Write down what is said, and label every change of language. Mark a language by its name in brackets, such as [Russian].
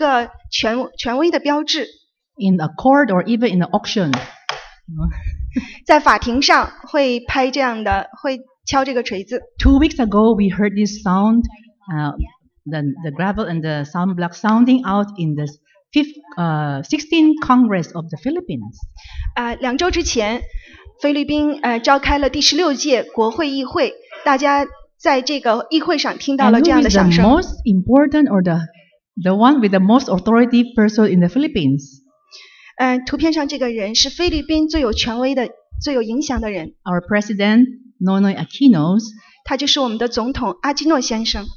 [Chinese] 大家看这个锤子和这个木块，声音块，它是一个权威的标志。 [English] In a court or even in an auction. [Chinese] 在法庭上会拍这样的，会敲这个锤子。 [English] 2 weeks ago, we heard this sound, the gravel and the sound block sounding out in the 16th Congress of the Philippines. [Chinese] 2周之前，菲律宾召开了第16届国会议会，大家在这个议会上听到了这样的响声。 [English] And who is the most important or the one with the most authority person in the Philippines? [Chinese] 图片上这个人是菲律宾最有权威的、最有影响的人。 [English] Our President Noynoy Aquino. [Chinese] 他就是我们的总统阿基诺先生。